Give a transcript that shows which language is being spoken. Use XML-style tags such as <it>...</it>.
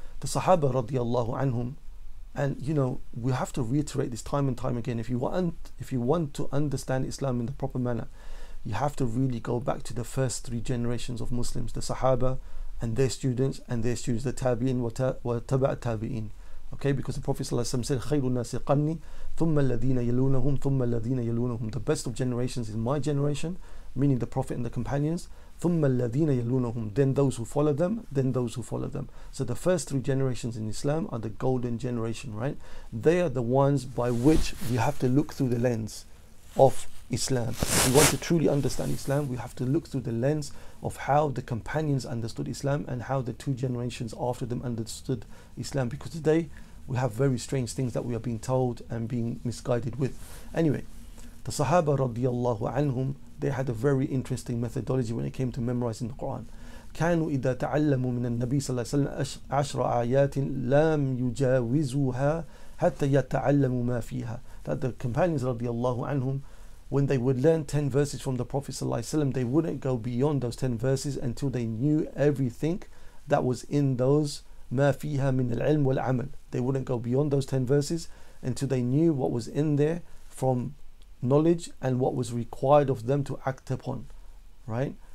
<en>The Sahaba radiallahu anhum, and you know, we have to reiterate this time and time again. If you want to understand Islam in the proper manner, you have to really go back to the first three generations of Muslims, the Sahaba and their students, the Tabi'in wa Taba' Tabi'in. Okay, because the Prophet said,</en> <ar>خَيْرُ النَّاسِ قَرْنِي ثُمَّ الَّذِينَ يَلُونَهُمْ ثُمَّ الَّذِينَ يَلُونَهُمْ.</ar> <en>The best of generations is my generation, meaning the Prophet and the companions.</en> <ar>ثُمَّ الَّذِينَ يَلُونَهُمْ.</ar> <en>Then those who follow them, then those who follow them. So the first three generations in Islam are the golden generation, right? They are the ones by which we have to look through the lens of Islam. If we want to truly understand Islam, we have to look through the lens of how the companions understood Islam and how the two generations after them understood Islam, because today we have very strange things that we are being told and being misguided with. Anyway, the Sahaba radiallahu anhum, they had a very interesting methodology when it came to memorizing the Quran.</en> <ar>كانوا إذا تعلموا من النبي صلى الله عليه وسلم عشر آيات لم يجاوزوها حتى يتعلموا ما فيها.</ar> <en>That the companions radiallahu anhum, when they would learn 10 verses from the Prophet sallallahu alaihi wasallam, they wouldn't go beyond those 10 verses until they knew everything that was in those</en> <ar>ما فيها من العلم والعمل.</ar> <en>They wouldn't go beyond those 10 verses until they knew what was in there from knowledge and what was required of them to act upon, right?</en>